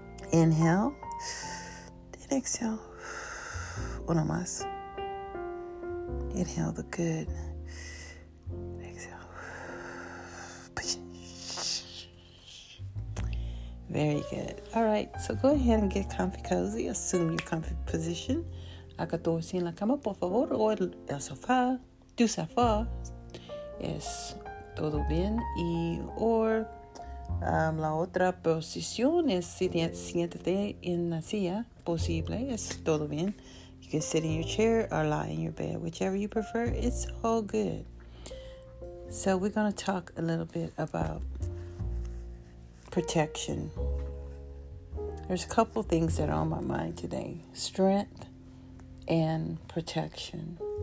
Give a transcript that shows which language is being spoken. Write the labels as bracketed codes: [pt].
[en] Inhale, then exhale, [es] uno más. [en] Inhale the good, exhale. Very good. All right, so go ahead and get comfy cozy. Assume your comfy position. [es] Acostarse en la cama, por favor, o el sofá. Tu sofá es todo bien, y or la otra posición es siéntate en la silla, posible, es todo bien. [en] You can sit in your chair or lie in your bed, whichever you prefer, it's all good. So we're going to talk a little bit about protection. There's a couple things that are on my mind today, strength and protection.